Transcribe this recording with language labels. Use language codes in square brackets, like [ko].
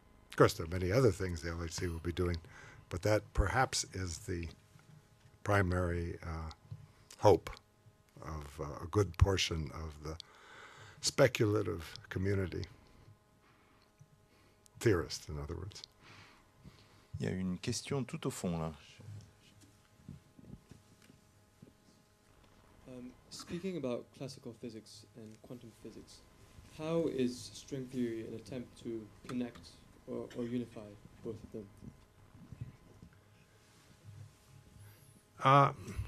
[en] Of course, there are many other things the LHC will be doing, but that perhaps is the primary hope of a good portion of the speculative community, theorists, in other words. [fr] Il y a une question tout au fond là. [en] Speaking about classical physics and quantum physics, how is string theory an attempt to connect or unify both of them?